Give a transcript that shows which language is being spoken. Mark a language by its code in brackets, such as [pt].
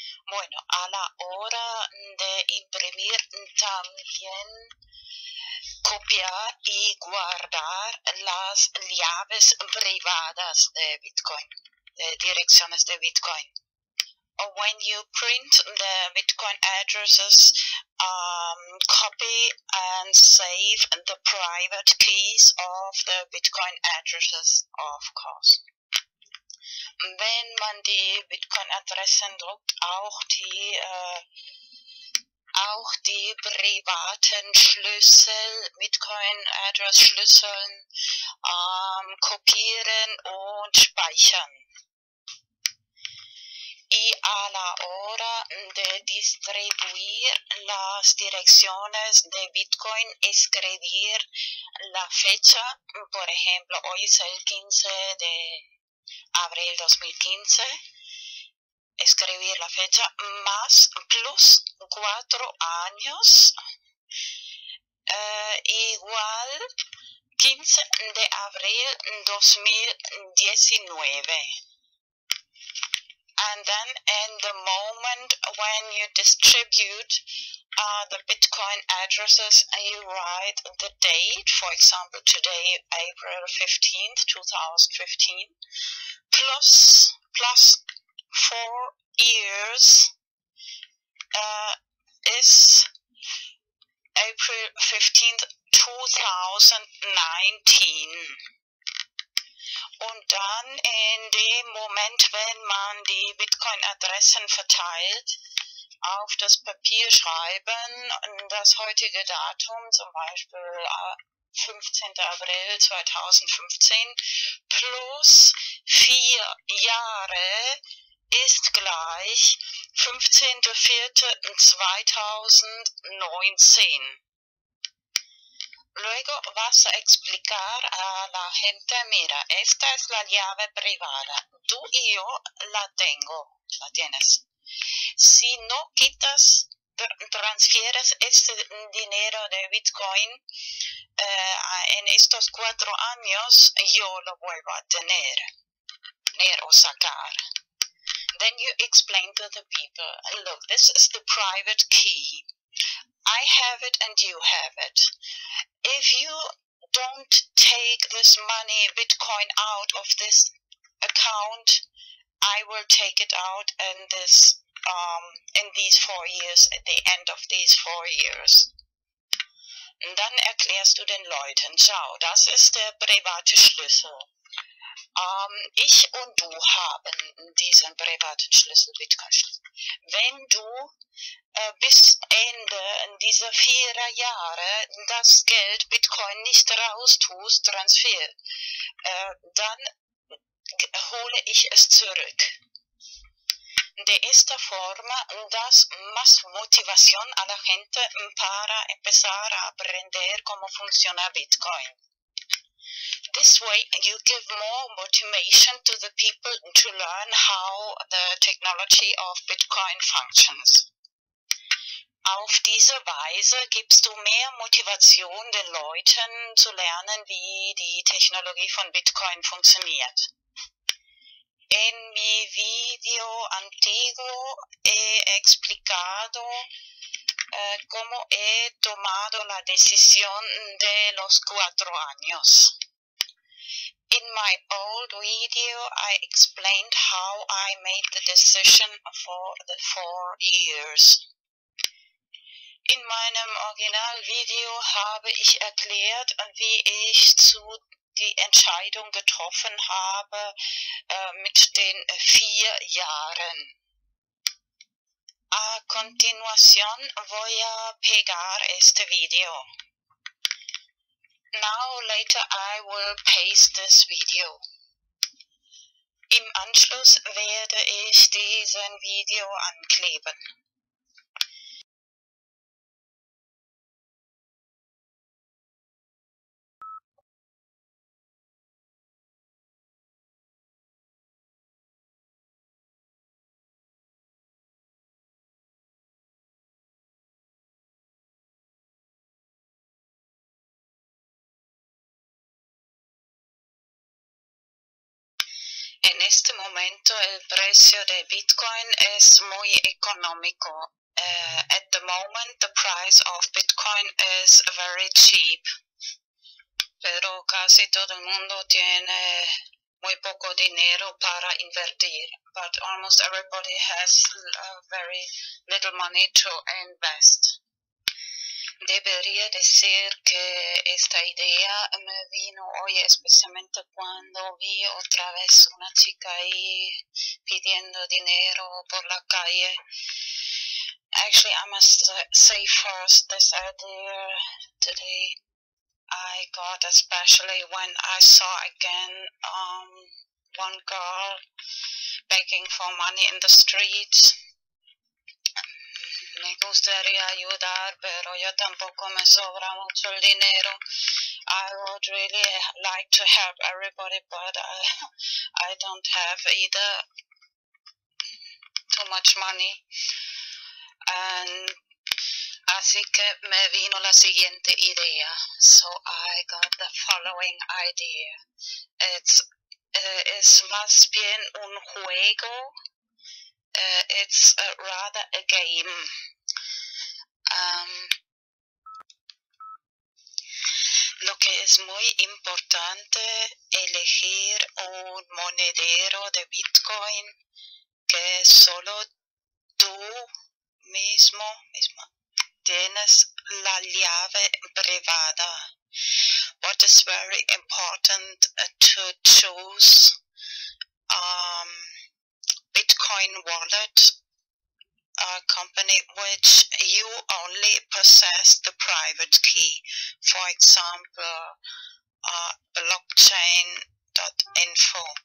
[es] Bueno, a la hora de imprimir también copiar y guardar las llaves privadas de Bitcoin, de direcciones de Bitcoin. [en] When you print the Bitcoin addresses, copy and save the private keys of the Bitcoin addresses, of course. [de] Wenn man die Bitcoin-Adressen druckt, auch die privaten Schlüssel, Bitcoin-Address-Schlüsseln, kopieren und speichern. [es] Y a la hora de distribuir las direcciones de Bitcoin, escribir la fecha, por ejemplo, hoy es el 15 de abril 2015, escribir la fecha más plus 4 años igual 15 de abril 2019. [en] And then in the moment when you distribute the Bitcoin addresses, you write the date, for example today April 15th 2015 plus 4 years is April 15th, 2019. [de] Und dann in dem Moment, wenn man die Bitcoin-Adressen verteilt, auf das Papier schreiben, das heutige Datum, zum Beispiel 15. April 2015, plus 4 Jahre, ist gleich 15.04.2019. [es] Luego vas a explicar a la gente, mira, esta es la llave privada. Tú y yo la tengo, la tienes. Si no quitas, transfieres este dinero de Bitcoin en estos 4 años, yo lo vuelvo a tener o sacar. [en] Then you explain to the people, look, this is the private key. I have it and you have it. If you don't take this money, Bitcoin, out of this account, I will take it out in this, in these 4 years, at the end of these 4 years. [de] Und dann erklärst du den Leuten, schau, das ist der private Schlüssel. Ich und du haben diesen privaten Schlüssel, Bitcoin-Schlüssel. Wenn du bis Ende dieser 4 Jahre das Geld Bitcoin nicht raus tust, Transfer, dann hole ich es zurück. [es] De esta forma das más motivación a la gente para empezar a aprender cómo funciona Bitcoin. [en] This way, you give more motivation to the people to learn how the technology of Bitcoin functions. [de] Auf diese Weise gibst du mehr Motivation den Leuten zu lernen, wie die Technologie von Bitcoin funktioniert. [es] En mi video antiguo he explicado cómo he tomado la decisión de los 4 años. [en] In my old video, I explained how I made the decision for the 4 years. [de] In meinem Originalvideo habe ich erklärt, wie ich zu die Entscheidung getroffen habe mit den 4 Jahren. [es] A continuación voy a pegar este video. [en] Now later I will paste this video. [de] Im Anschluss werde ich diesen Video ankleben. [es] En este momento el precio de Bitcoin es muy económico. [en] At the moment the price of Bitcoin is very cheap. [es] Pero casi todo el mundo tiene muy poco dinero para invertir. [en] But almost everybody has very little money to invest. [es] Debería decir que esta idea me vino hoy especialmente cuando vi otra vez una chica ahí pidiendo dinero por la calle. [en] Actually, I must say first this idea today I got especially when I saw again one girl begging for money in the streets. [es] Me gustaría ayudar, pero yo tampoco me sobra mucho el dinero. [en] I would really like to help everybody, but I don't have either too much money. [es] And así que me vino la siguiente idea. [en] So I got the following idea. It's [es] más bien un juego. [en] It's rather a game. [es] Lo que es muy importante elegir un monedero de Bitcoin que solo tú mismo tienes la llave privada. [en] What is very important to choose Bitcoin wallet, a company which you only possess the private key, for example, blockchain.info.